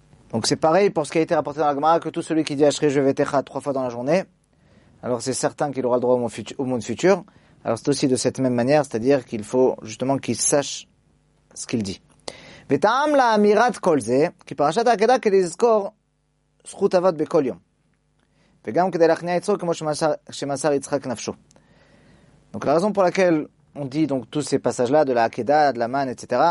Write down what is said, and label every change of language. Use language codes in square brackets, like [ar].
[fr] Donc c'est pareil pour ce qui a été rapporté dans la Gemara, que tout celui qui dit Ashrei Shevetecha trois fois dans la journée, alors c'est certain qu'il aura le droit au monde futur. Alors c'est aussi de cette même manière, c'est-à-dire qu'il faut justement qu'il sache ce qu'il dit. [he] V'ta'am la amirat kol zeh, ki parashat ha'akeda ke lizkor, זכות עבד בכל יום. וגם כדי להכניע יצרו כמו שמסר יצחק נפשו. [fr] Donc la raison pour laquelle on dit donc tous ces passages-là, de la Akeda, de la Manne, etc.